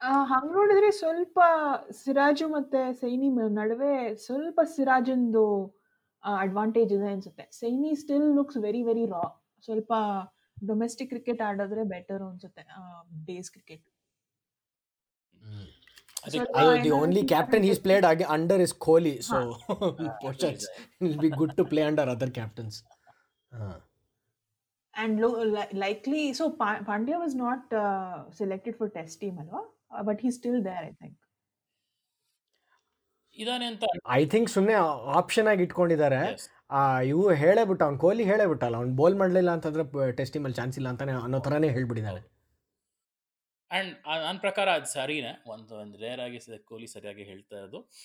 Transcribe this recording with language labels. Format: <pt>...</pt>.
<kn>ಹಂಗೆ ನೋಡಿದ್ರೆ ಸ್ವಲ್ಪ ಸಿರಾಜು ಮತ್ತು ಸೈನಿ ನಡುವೆ ಸ್ವಲ್ಪ ಸಿರಾಜಿಂದು ಅಡ್ವಾಂಟೇಜ್ ಇದೆ ಅನ್ಸುತ್ತೆ. Saini</kn> <en>still looks very very raw,</en> <kn>ಸ್ವಲ್ಪ ಡೊಮೆಸ್ಟಿಕ್ ಕ್ರಿಕೆಟ್ ಆಡಿದ್ರೆ ಬೆಟರ್ ಅನ್ಸುತ್ತೆ base cricket.</kn> <en>The only captain he's played under is Kohli, so Pochards will be good to play under other captains. And likely, so Pandya was not selected for test team, but he's still there, I think.</en> <kn>I think ಸುಮ್ಮನೆ option ಆಗಿ ಇಟ್ಕೊಂಡಿದ್ದಾರೆ. ಇವು ಹೇಳೇಬಿಟ್ಟ ಅವ್ನು ಕೊಹ್ಲಿ ಹೇಳೇಬಿಟ್ಟಲ್ಲ, ಅವ್ನು bowl ಮಾಡಲಿಲ್ಲ ಅಂತಂದ್ರೆ test ಟೀಮಲ್ಲಿ chance ಇಲ್ಲ ಅಂತಾನೆ ಅನ್ನೋ ಥರನೇ ಹೇಳ್ಬಿಟ್ಟಿದ್ದಾರೆ. ಆ್ಯಂಡ್ ನನ್ನ ಪ್ರಕಾರ ಅದು ಸರಿನೇ, ಒಂದು ರೇರ್ ಆಗಿ ಕೊಹ್ಲಿ ಸರಿಯಾಗಿ ಹೇಳ್ತಾ ಇರೋದು.</kn>